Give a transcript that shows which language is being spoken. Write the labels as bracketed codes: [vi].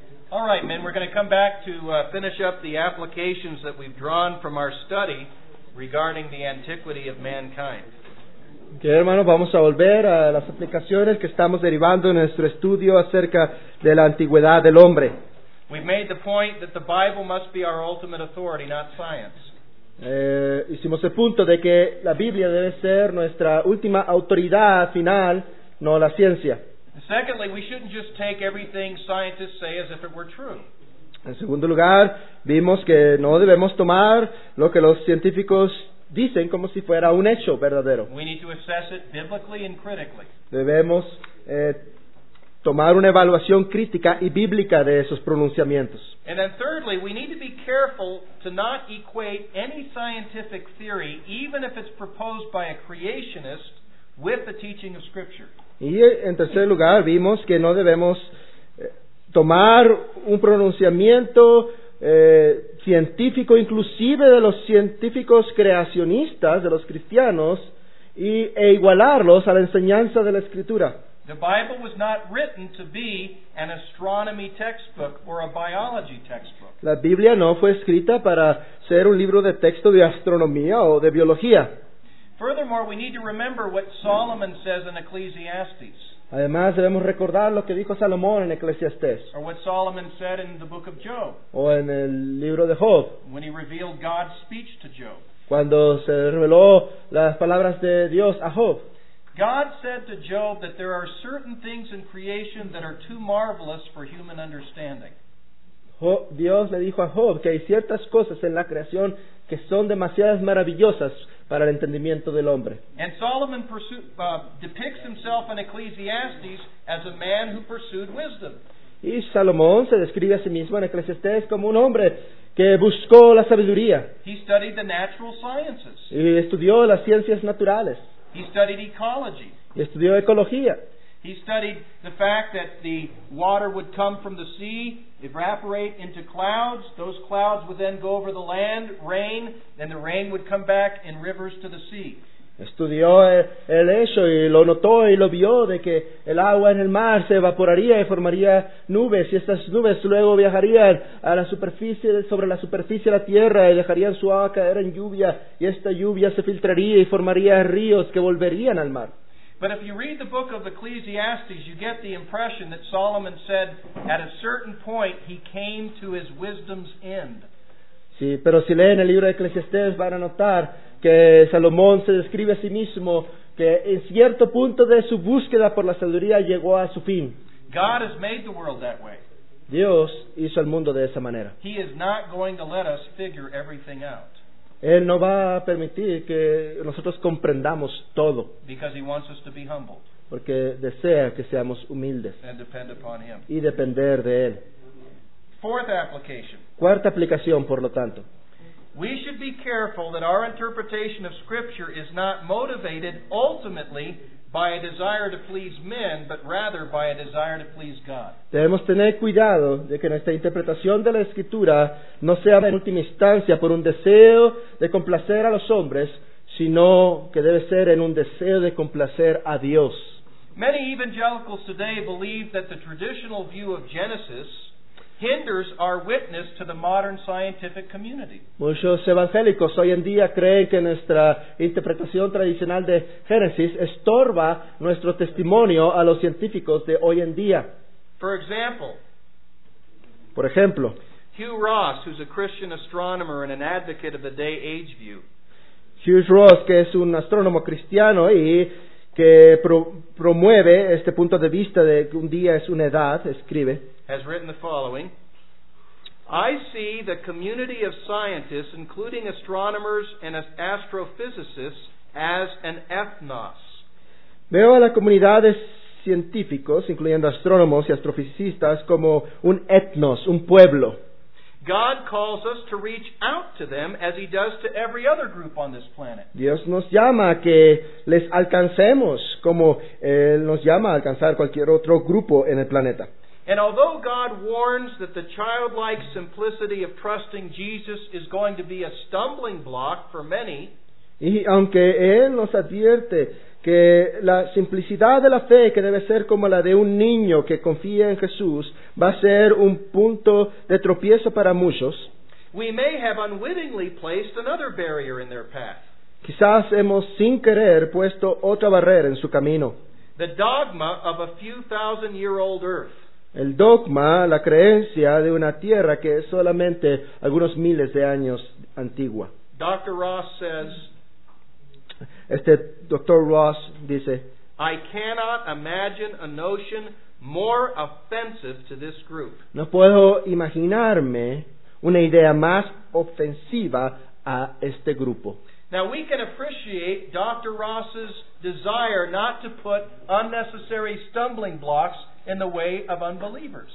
[en] All right, men, we're going to come back to finish up the applications that we've drawn from our study regarding the antiquity of mankind. [es] Okay, hermanos, vamos a volver a las aplicaciones que estamos derivando en nuestro estudio acerca de la antigüedad del hombre. [en] We've made the point that the Bible must be our ultimate authority, not science. [es] Hicimos el punto de que la Biblia debe ser nuestra última autoridad final, no la ciencia. [en] Secondly, we shouldn't just take everything scientists say as if it were true. [es] En segundo lugar, vimos que no debemos tomar lo que los científicos dicen como si fuera un hecho verdadero. [en] We need to assess it biblically and critically. [es] Debemos tomar una evaluación crítica y bíblica de esos pronunciamientos. [en] And then thirdly, we need to be careful to not equate any scientific theory, even if it's proposed by a creationist, with the teaching of Scripture. [es] Y en tercer lugar, vimos que no debemos tomar un pronunciamiento científico, inclusive de los científicos creacionistas, de los cristianos, e igualarlos a la enseñanza de la Escritura. [en] The Bible was not written to be an astronomy textbook or a biology textbook. [es] La Biblia no fue escrita para ser un libro de texto de astronomía o de biología. [en] Furthermore, we need to remember what Solomon says in Ecclesiastes. [es] Además, debemos recordar lo que dijo Salomón en Eclesiastés. [en] Or what Solomon said in the book of Job. [es] O en el libro de Job. [en] When he revealed God's speech to Job. [es] Cuando se reveló las palabras de Dios a Job. [en] God said to Job that there are certain things in creation that are too marvelous for human understanding. [es] Dios le dijo a Job que hay ciertas cosas en la creación que son demasiadas maravillosas para el entendimiento del hombre. [en] And Solomon depicts himself in Ecclesiastes as a man who pursued wisdom. [es] Y Salomón se describe a sí mismo en Eclesiastés como un hombre que buscó la sabiduría. [en] He studied the natural sciences. [es] Y estudió las ciencias naturales. [en] He studied ecology. [es] Y estudió ecología. [en] He studied the fact that the water would come from the sea, evaporate into clouds. Those clouds would then go over the land, rain, then the rain would come back in rivers to the sea. [es] Estudió el hecho y lo notó y lo vio de que el agua en el mar se evaporaría y formaría nubes, y estas nubes luego viajarían a la superficie, sobre la superficie de la tierra, y dejarían su agua caer en lluvia, y esta lluvia se filtraría y formaría ríos que volverían al mar. [en] But if you read the book of Ecclesiastes, you get the impression that Solomon said at a certain point he came to his wisdom's end. [es] Sí, pero si leen el libro de Eclesiastés van a notar que Salomón se describe a sí mismo que en cierto punto de su búsqueda por la sabiduría llegó a su fin. [en] God has made the world that way. [es] Dios hizo el mundo de esa manera. [en] He is not going to let us figure everything out. [es] Él no va a permitir que nosotros comprendamos todo. [en] Because he wants us to be humble. [es] Porque desea que seamos humildes. [en] And depend upon him. [es] Y depender de Él. [en] Fourth application. [es] Cuarta aplicación, por lo tanto. [en] We should be careful that our interpretation of Scripture is not motivated ultimately by a desire to please men, but rather by a desire to please God. [es] Debemos tener cuidado de que nuestra interpretación de la Escritura no sea en última instancia por un deseo de complacer a los hombres, sino que debe ser en un deseo de complacer a Dios. [en] Many evangelicals today believe that the traditional view of Genesis hinders our witness to the modern scientific community. [es] Muchos evangélicos hoy en día creen que nuestra interpretación tradicional de Génesis estorba nuestro testimonio a los científicos de hoy en día. Por ejemplo, [en] Hugh Ross, who's a Christian astronomer and an advocate of the day-age view. [es] Hugh Ross, que es un astrónomo cristiano y que promueve este punto de vista de que un día es una edad, escribe, [en] has written the following. I see the community of scientists, including astronomers and astrophysicists, as an ethnos. [es] Veo a la comunidad de científicos, incluyendo astrónomos y astrofisicistas, como un ethnos, un pueblo. [en] God calls us to reach out to them as he does to every other group on this planet. [es] Dios nos llama a que les alcancemos como él nos llama a alcanzar cualquier otro grupo en el planeta. [en] And although God warns that the childlike simplicity of trusting Jesus is going to be a stumbling block for many, [es] y aunque él nos advierte que la simplicidad de la fe, que debe ser como la de un niño que confía en Jesús, va a ser un punto de tropiezo para muchos. [en] We may have unwittingly placed another barrier in their path. [es] Quizás hemos sin querer puesto otra barrera en su camino. [en] The dogma of a few thousand year old earth. [es] El dogma, la creencia de una tierra que es solamente algunos miles de años antigua. [en] Dr. Ross says, [es] Dr. Ross dice, [en] I cannot imagine a notion more offensive to this group. [es] No puedo imaginarme una idea más ofensiva a este grupo. [en] Now we can appreciate Dr. Ross's desire not to put unnecessary stumbling blocks in the way of unbelievers.